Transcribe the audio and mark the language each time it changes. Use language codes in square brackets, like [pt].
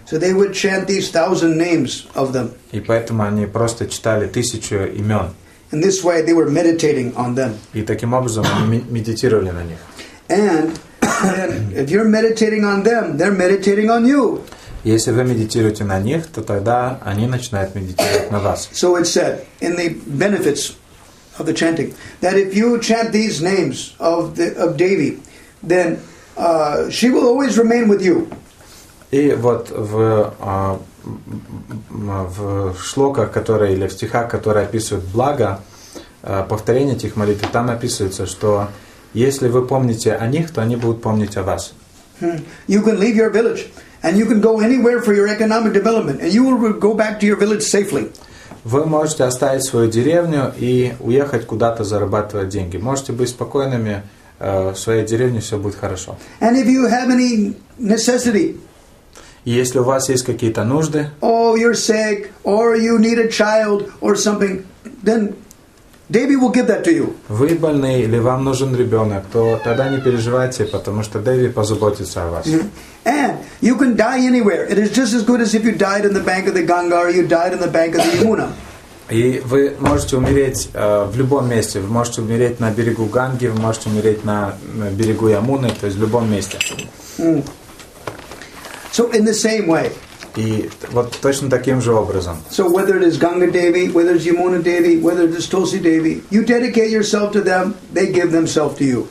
[en] So they would chant these thousand names of them. [ru] И поэтому они просто читали тысячу имен. [en] And this way they were meditating on them. [ru] И таким образом они медитировали на них. [en] And if you're meditating on them, they're meditating on you. [ru] Если вы медитируете на них, то тогда они начинают медитировать на вас. [en] So it said in the benefits of the chanting that if you chant these names of Devi, then she will always remain with you. [ru] И вот в шлоках, которые или в стихах, которые описывают благо, повторение этих молитв, там описывается, что если вы помните о них, то они будут помнить о вас. [en] You can leave your village and you can go anywhere for your economic development and you will go back to your village safely. [ru] Вы можете оставить свою деревню и уехать куда-то зарабатывать деньги. Можете быть спокойными, в своей деревне все будет хорошо. [en] And if you have any necessity, [ru] если у вас есть какие-то нужды, [en] oh, you're sick, or you need a child or something, then Devi will give that to you. [ru] Вы больны или вам нужен ребенок, то тогда не переживайте, потому что Деви позаботится о вас. [en] And you can die anywhere. It is just as good as if you died in the bank of the Ganga or you died in the bank of the Yamuna. [ru] И вы можете умереть в любом месте. Вы можете умереть на берегу Ганги, вы можете умереть на берегу Ямуны, то есть в любом месте. [en] So in the same way. [ru] И вот точно таким же образом. [en] So whether it is Ganga Devi, whether it's Yamuna Devi, whether it is Tulsi Devi, you dedicate yourself to them, they give themselves to you.